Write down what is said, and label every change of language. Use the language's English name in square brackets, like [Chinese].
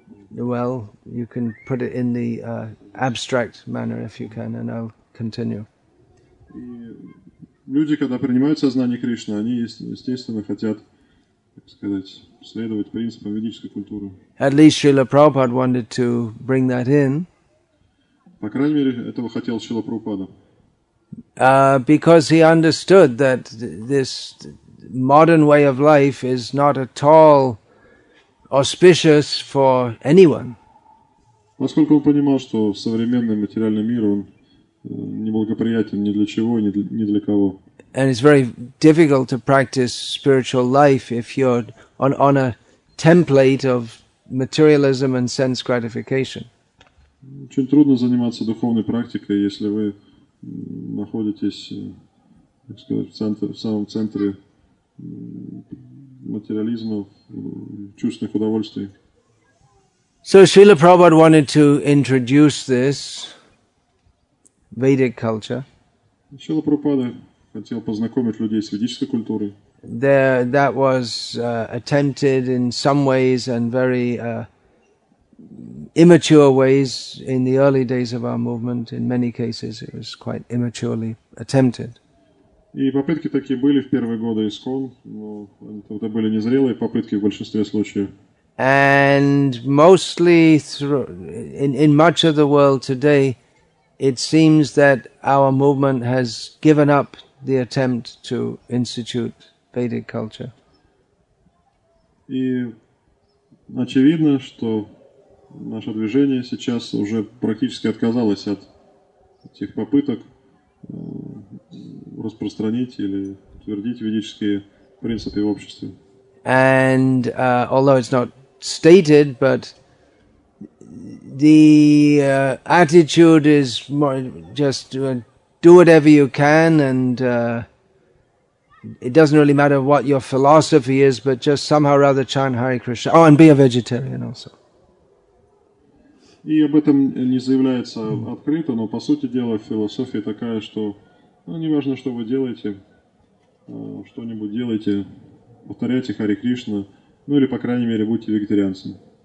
[English] Well, you can put it in the abstract manner if you can, and I'll continue. [Russian] Люди, когда принимают сознание Кришны, они естественно хотят, так сказать, следовать принципам ведической культуры. [English] At least Srila Prabhupada wanted to bring that in. [Russian] По крайней мере, этого хотел Шрила Прабхупада. [English] Because he understood that this modern way of life is not at all auspicious for anyone. [Russian] Поскольку он понимал, что современный материальный мир он неблагоприятен ни для чего, ни для кого. [English] And it's very difficult to practice spiritual life if you're on a template of materialism and sense gratification. [Russian] Очень трудно заниматься духовной практикой, если вы находитесь, так сказать, в самом центре материализма, чувственных удовольствий. [English] So Srila Prabhupada wanted to introduce this Vedic culture. [Russian] Srila Prabhupada хотел познакомить людей с ведической культурой. [English] There, that was attempted in some ways and very immature ways in the early days of our movement. In many cases it was quite immaturely attempted. [Russian] И попытки такие были в первые годы ИСККОН, но это были незрелые попытки в большинстве случаев. [English] And mostly in much of the world today, it seems that our movement has given up the attempt to institute Vedic culture. [Russian] И очевидно, что наше движение сейчас уже практически отказалось от этих попыток распространить или утвердить ведические принципы в обществе. [English] And although it's not stated, but the attitude is more just do whatever you can, and it doesn't really matter what your philosophy is, but just somehow or other chant Hare Krishna. Oh, and be a vegetarian also. [Russian] И об этом не заявляется открыто, но по сути дела философия такая, что не важно, что вы делаете, что-нибудь делайте, повторяйте Харе Кришна, ну или, по крайней мере, будьте вегетарианцем.